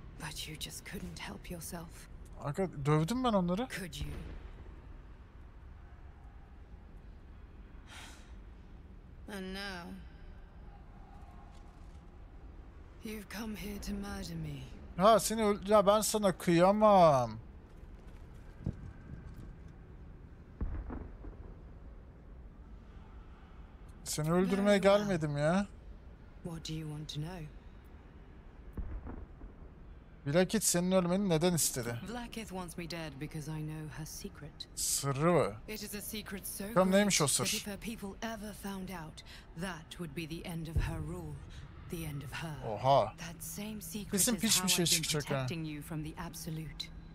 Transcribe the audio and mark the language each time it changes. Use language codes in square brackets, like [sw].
[en] But you just couldn't help yourself. [tr] Dövdüm ben onları. [en] And now, you've come here to murder me. [tr] Ha seni öl- ya ben sana kıyamam. Seni öldürmeye gelmedim ya. [en] What do you want to know? [tr] Blackith senin ölmeni neden istedi? [en] Blackith wants me dead because I know her secret. [tr] Sırrı mı? [en] It is a secret so great. [tr] Neymiş o sır? [en] If her people ever found out, that would be the end of her rule, the end of her. [tr] Oha. [en] That same secret is how I've been protecting you from the absolute.